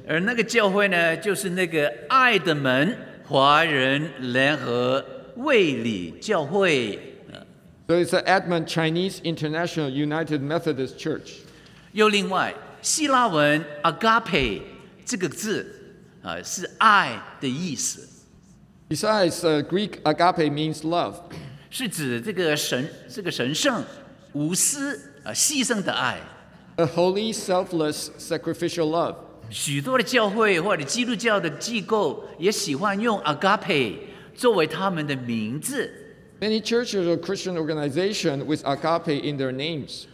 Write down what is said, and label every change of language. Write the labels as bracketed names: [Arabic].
[Chinese] 而那个教会呢就是那个爱的门华人联合卫理教会 [English] So it's the Edmond Chinese International United Methodist Church [Chinese] 又另外希腊文 agape 这个字是爱的意思 [English] Besides Greek agape means love [Chinese] 是指这个神圣无私牺牲的爱 [English] A holy, selfless, sacrificial love. [Chinese] 许多的教会或者基督教的机构也喜欢用 agape 作为他们的名字。 [English] Many churches or Christian organizations with agape in their names.